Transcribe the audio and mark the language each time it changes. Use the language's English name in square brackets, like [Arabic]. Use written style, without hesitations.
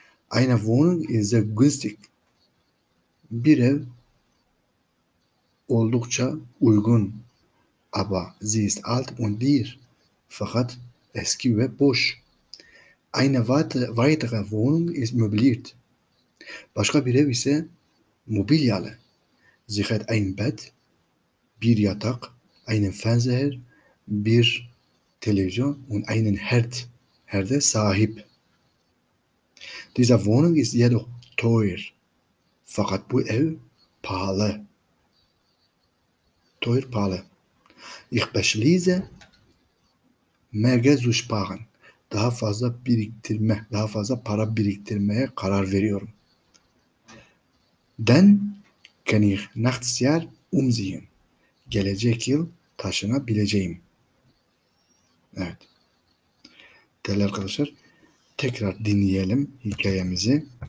[German] Eine Wohnung ist sehr günstig. [Turkish] Bir ev oldukça uygun. [German] Aber sie ist alt und leer. [Turkish] Fakat eski ve boş. [German] Eine weitere Wohnung ist möbliert. [Turkish] Başka bir ev ise mobilyalı. [German] Sie hat ein Bett, [Turkish] bir yatak, [German] einen Fernseher, [Turkish] bir televizyon [German] und einen Herd. [Turkish] Herde sahip. [German] Diese Wohnung ist jedoch teuer. [Turkish] Fakat bu ev pahalı. [German] Teuer, [Turkish] pahalı. [German] Ich beschließe, mehr Geld zu sparen. [Turkish] Daha fazla biriktirme, daha fazla para biriktirmeye karar veriyorum. [German] Dann kann ich nächstes Jahr umziehen. [Turkish] Gelecek yıl taşınabileceğim. Evet. Değerli arkadaşlar, tekrar dinleyelim hikayemizi.